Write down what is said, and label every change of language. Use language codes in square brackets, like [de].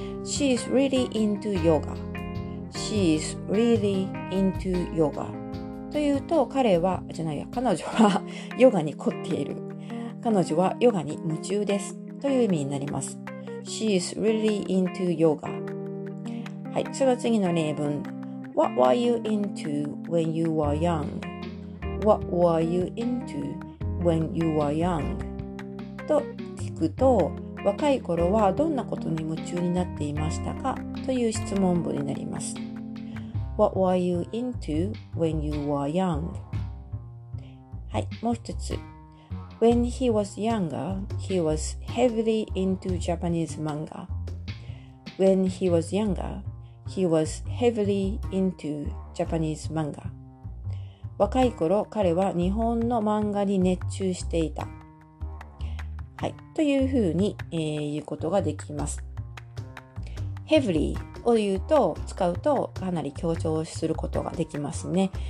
[en] She's really into yoga. She's really into yoga. [ja] というと、彼女はヨガに凝っている、彼女はヨガに夢中ですという意味になります。 [en] She's really into yoga. [ja] はい、その次の例文。 [en] What were you into when you were young? What were you into when you were young? [ja] と聞くと、若い頃はどんなことに夢中になっていましたかという質問文になります。 [en] What were you into when you were young? [ja] はい、もう一つ。 [en] When he was younger, he was heavily into Japanese manga. When he was younger, He was heavily into Japanese manga. [ja] 若い頃、彼は日本の漫画に熱中していた。はい。というふうに、言うことができます。 heavily を言うと、使うとかなり強調することができますね。